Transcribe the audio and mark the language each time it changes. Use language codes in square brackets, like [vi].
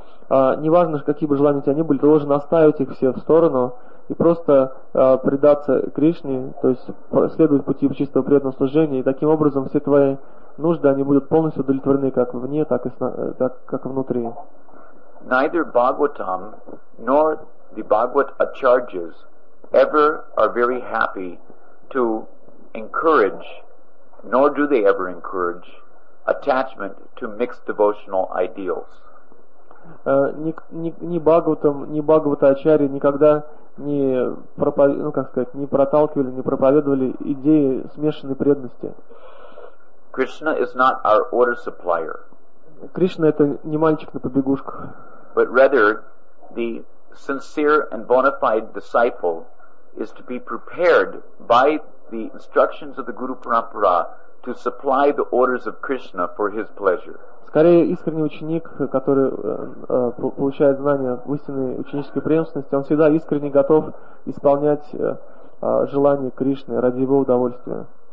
[ru] Неважно, какие бы желания у тебя ни были, ты должен оставить их все в сторону и просто предаться Кришне, то есть следовать пути чистого преданного служения, и таким образом все твои нужды, они будут полностью удовлетворены как вне, так и как внутри. [en] Neither Bhagavatam nor the Bhagavat Acharyas ever are very happy to encourage, nor do they ever encourage attachment to mixed devotional ideals. [ru] Ни Бхагаватам, ни Бхагавата Ачарьи никогда не проповедовали, ну как сказать, не проталкивали, не проповедовали идеи смешанной преданности. [en] Krishna is not our order supplier. [ru] Кришна это не мальчик на побегушках. [en] But rather, the sincere and bona fide disciple is to be prepared by the instructions of the Guru Parampara to supply the orders of Krishna for his pleasure. [ru] Скорее, искренний ученик, который получает знания в истинной ученической преемственности, он всегда искренне готов исполнять желания Кришны ради его удовольствия.